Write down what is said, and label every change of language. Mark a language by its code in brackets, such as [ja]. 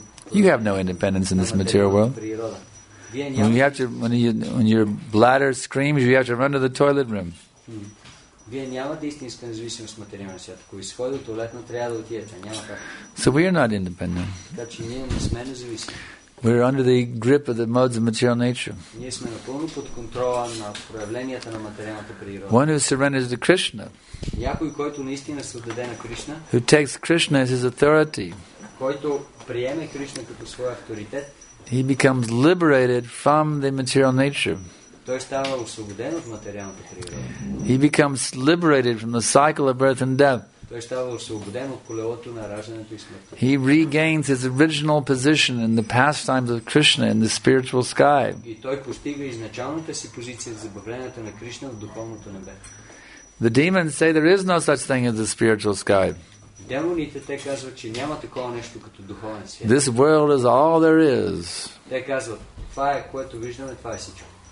[en] You have no independence in this material world. When your bladder screams, you have to run to the toilet room. [bg] Вие нямате истинска независимост в материалния свят. Ако изходи от туалетна, трябва да отидете. Няма как. [en] So we are not independent. [bg] Така че ние не сме независими. [en] We are under the grip of the modes of material nature. [bg] Ние сме напълно под контрола на проявленията на материалната природа. [en] One who surrenders to Krishna. [bg] Някой, който наистина се отдаде на Кришна. [en] Who takes Krishna as his authority. [bg] Който приеме Кришна като своя авторитет. [en] He becomes liberated from the material nature. [bg] Той става освободен от материалната природа. [en] He becomes liberated from the cycle of birth and death. [bg] Той става освободен от колелото на раждането и смъртта. [en] He regains his original position in the pastimes of Krishna in the spiritual sky. [bg] И той постига изначалната си позиция в забавленията на Кришна в духовното небе. [en] The demons say there is no such thing as the spiritual sky. [bg] Демоните те казват, че няма такова нещо като духовен свят. [en] This world is all there is. [bg] Те казват, това е което виждаме, това е всичко.